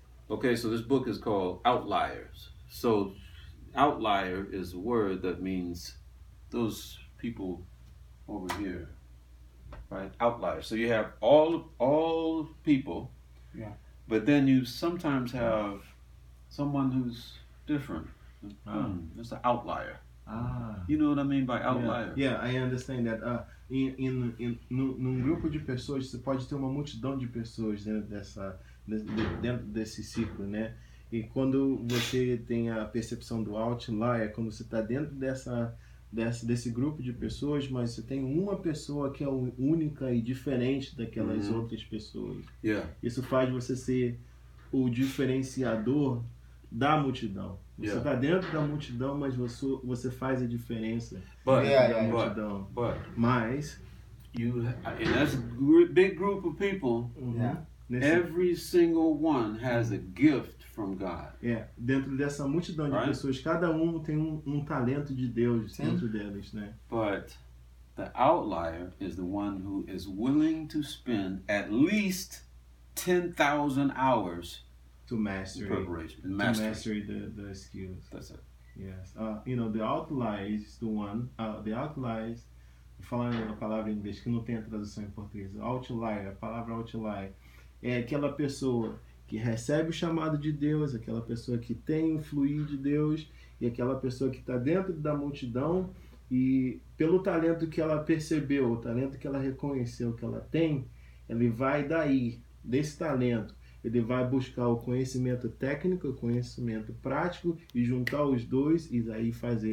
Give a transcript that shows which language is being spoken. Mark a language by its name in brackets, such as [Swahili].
[English] Okay, so this book is called Outliers. So outlier is a word that means those people over here, right? Outliers. So you have all people. Yeah. But then you sometimes have someone who's different. It's an outlier. You know what I mean by outlier? Yeah, I understand that. [Portuguese] Num grupo de pessoas, você pode ter uma multidão de pessoas dentro desse ciclo, né? E quando você tem a percepção do outlier, quando você está dentro desse grupo de pessoas, mas você tem uma pessoa que é única e diferente daquelas outras pessoas. [English] Yeah. [Portuguese] Isso faz você ser o diferenciador da multidão. Você está dentro da multidão, mas você faz a diferença Da multidão. Mas [English] and that's a big group of people. Every single one has a gift from God. [Portuguese] Yeah, dentro dessa multidão de pessoas, cada um tem um talento de Deus dentro deles, né? [English] But the outlier is the one who is willing to spend at least 10,000 hours to mastery preparation, mastery the skills. That's it. Yes. You know, the outlier is the one. [Portuguese] The outlier, falando a palavra em inglês que não tem a tradução em português, outlier, a palavra outlier é aquela pessoa que recebe o chamado de Deus, aquela pessoa que tem o fluir de Deus e aquela pessoa que está dentro da multidão e pelo talento que ela percebeu, o talento que ela reconheceu que ela tem, ele vai daí, desse talento, ele vai buscar o conhecimento técnico, o conhecimento prático e juntar os dois e daí fazer